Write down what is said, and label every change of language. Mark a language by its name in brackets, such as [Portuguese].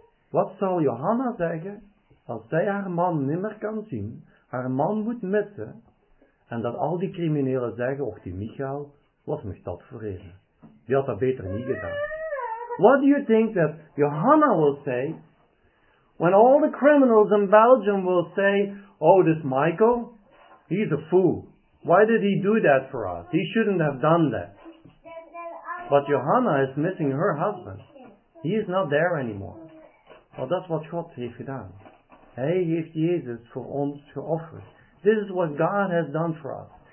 [Dutch] Wat zal Johanna zeggen als zij haar man nimmer kan zien, haar man moet missen, en dat al die criminelen zeggen, och die Michael, wat mag dat voor even? Die had dat beter niet gedaan. [English] What do you think that Johanna will say when all the criminals in Belgium will say, oh, this Michael, he's a fool. Why did he do that for us? He shouldn't have done that. But Johanna is missing her husband. He is not there anymore. Well, that's what [Dutch] God heeft gedaan. Hij heeft Jezus voor ons geofferd. [English] This is what God has done for us.